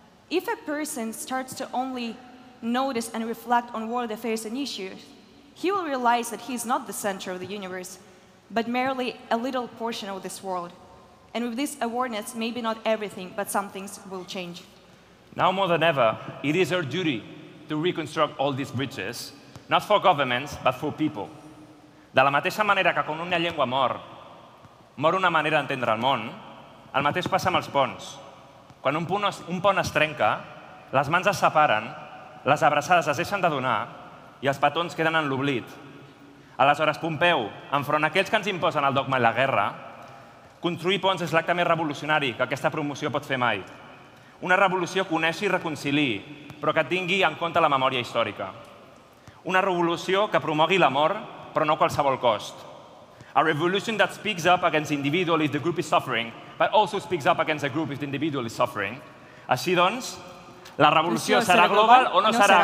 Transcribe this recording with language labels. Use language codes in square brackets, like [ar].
[en] If a person starts to only notice and reflect on world affairs and issues, he will realize that he is not the center of the universe, but merely a little portion of this world. And with this awareness, maybe not everything, but some things will change. Now more than ever, it is our duty to reconstruct all these bridges, not for governments, but for people. [ca] De la mateixa manera que quan una llengua mor, mor una manera d'entendre el món, el mateix passa amb els ponts. Quan un pont es trenca, les mans es separen, les abraçades es deixen de donar i els petons queden en l'oblit. Aleshores, Pompeu, enfront aquells que ens imposen el dogma i la guerra, construir ponts és l'acte més revolucionari que aquesta promoció pot fer mai. Una revolució que uneixi i reconciliï, però que tingui en compte la memòria històrica. Una revolució que promogui l'amor, però no a qualsevol cost. [en] A revolution that speaks up against the individual if the group is suffering, but also speaks up against the group if the individual is suffering. [ca] Així doncs, la revolució serà global o no serà?